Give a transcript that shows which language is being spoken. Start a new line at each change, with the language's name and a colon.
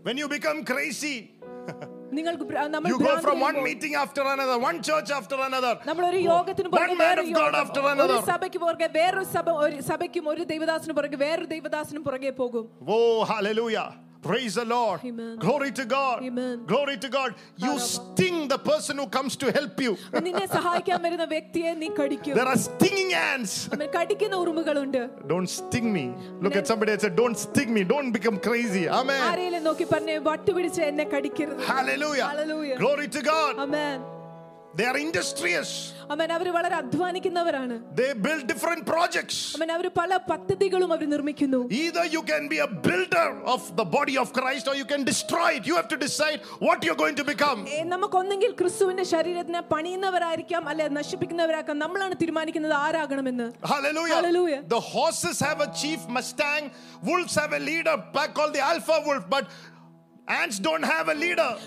English: When you become crazy.
Malayalam: നിങ്ങൾക്ക് നമ്മൾ
English: you go from one meeting after another, one church after another,
Malayalam: നമ്മൾ ഒരു യോഗത്തിന് പോകുക,
English: one man of God after another,
Malayalam: ഒരു സഭയ്ക്ക് പോകുക, വേറൊരു സഭ, ഒരു സഭയ്ക്കും ഒരു ദൈവദാസനും പുറകെ വേറൊരു ദൈവദാസനും പുറകെ പോകും.
English: Oh, hallelujah. Praise the Lord. Amen. Glory to God. Amen. Glory to God. You sting the person who comes to help you.
Malayalam: നിന്നെ സഹായിക്കാൻ വരുന്ന വ്യക്തിയെ നീ കടിക്കും.
English: There are stinging ants.
Malayalam: അവർ കടിക്കുന്ന ഉറുമ്പുകൾ ഉണ്ട്.
English: Don't sting me. Look at somebody and say, don't sting me. Don't become crazy. Amen.
Malayalam: ആരെയും നോക്കി പറഞ്ഞു വട്ടു പിടിച്ച് എന്നെ കടിക്കരുത്.
English: Hallelujah. Hallelujah. Glory to God. Amen. They are industrious.
Malayalam: അമ്മേ അവർ വളരെ അധ്വാനിക്കുന്നവരാണ്.
English: They build different projects.
Malayalam: അമ്മേ അവർ പല പദ്ധതികളും അവർ നിർമ്മിക്കുന്നു.
English: Either you can be a builder of the body of Christ or you can destroy it. You have to decide what you're going to become.
Malayalam: നമുക്ക് ഒന്നെങ്കിൽ ക്രിസ്തുവിന്റെ ശരീരത്തെ പണിയുന്നവരായിരിക്കാം അല്ലെങ്കിൽ നശിപ്പിക്കുന്നവരാക്കാം. നമ്മളാണ് തീരുമാനിക്കുന്നത് ആരാകണമെന്ന്.
English: Hallelujah. Hallelujah. The horses have a chief mustang. Wolves have a leader pack called the alpha wolf, but ants don't have a leader.